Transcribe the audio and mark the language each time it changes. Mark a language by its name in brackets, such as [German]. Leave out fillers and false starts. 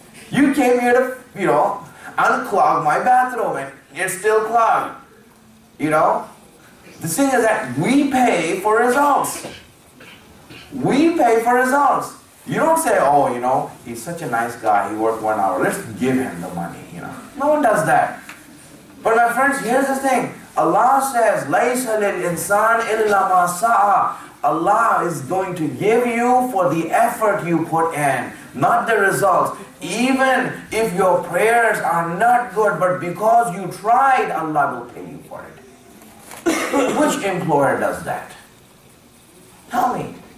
[English] You came here to, you know, unclog my bathroom, and it's still clogged, you know? The thing is that we pay for results. We pay for results. You don't say, oh, you know, he's such a nice guy, he worked 1 hour, let's give him the money, you know. No one does that. But my friends, here's the thing. Allah says, [Arabic] لَيْسَ لِلْإِنسَانِ إِلَّا مَا سَعَى. [English] Allah is going to give you for the effort you put in, not the results. Even if your prayers are not good, but because you tried, Allah will pay you for it. Which employer does that? Tell me.